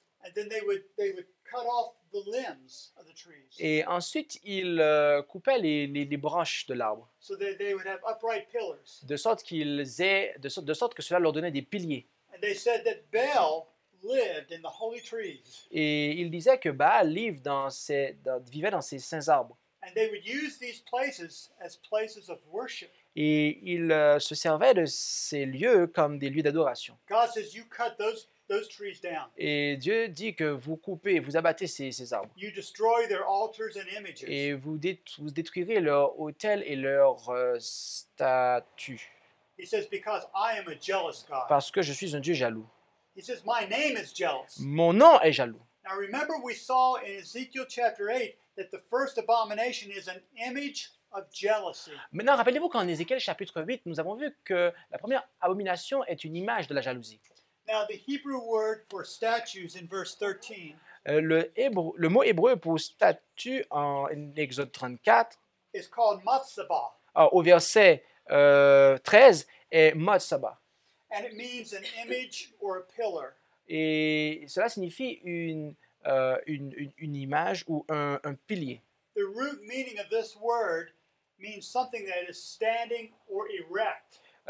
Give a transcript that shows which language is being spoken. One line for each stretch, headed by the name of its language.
English: And then they would cut off the limbs of the trees.
French: Et ensuite ils coupaient les branches de l'arbre.
English: So they would have upright pillars.
French: De sorte que cela leur donnait des piliers.
English: And they said that Baal lived in the holy trees.
French: Et il disait que Baal vivait dans ces saints arbres.
English: And they would use these places as places of worship.
French: Et il se servait de ces lieux comme des lieux d'adoration.
English: God says you cut those trees down.
French: Et Dieu dit que vous coupez, vous abattez ces arbres.
English: You destroy their altars and images.
French: Et vous détruirez leurs autels et leurs statues.
English: He says because I am a jealous God.
French: Parce que je suis un Dieu jaloux.
English: He says, "My name is jealous."
French: Mon nom est jaloux.
English: Now remember, we saw in Ezekiel chapter 8 that the first abomination is an image of jealousy.
French: Maintenant, rappelez-vous qu'en Ézéchiel chapitre 8, nous avons vu que la première abomination est une image de la jalousie.
English: Now the Hebrew word for statues in verse 13.
French: Le mot hébreu pour statue en Exode 34
English: is called matzabah.
French: Au verset 13 est matzabah.
English: And it means an image or a pillar.
French: Et cela signifie une image ou un pilier.
English: The root meaning of this word means something that is standing or erect.